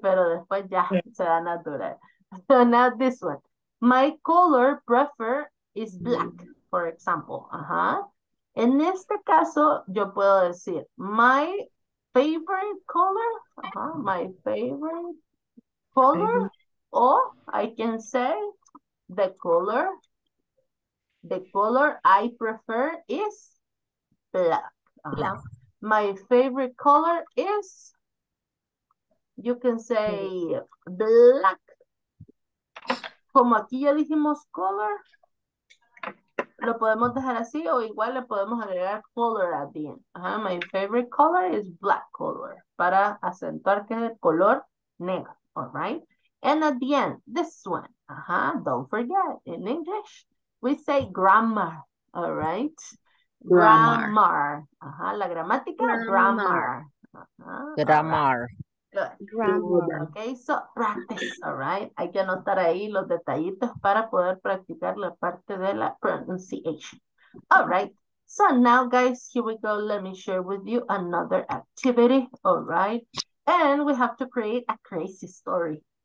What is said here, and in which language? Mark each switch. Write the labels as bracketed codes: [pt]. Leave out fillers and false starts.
[es] Pero después ya se da natural. [en] So now this one. My color prefer is black, for example. [es] En este caso, yo puedo decir [en] my favorite color. My favorite color. Or I can say the color I prefer is black. Black. My favorite color is, you can say, black. [es] Como aquí ya dijimos color, lo podemos dejar así o igual le podemos agregar color [en] at the end. My favorite color is black color, [es] para acentuar que es el color negro, [en] all right? And at the end, this one, don't forget, in English, we say grammar, all right? Grammar. [es] La gramática. Grammar. [en] Grammar. Grammar. Okay, so practice, all right? [es] Hay que anotar ahí los detallitos para poder practicar la parte de la pronunciation. [en] All right, so now, guys, here we go. Let me share with you another activity, all right? And we have to create a crazy story.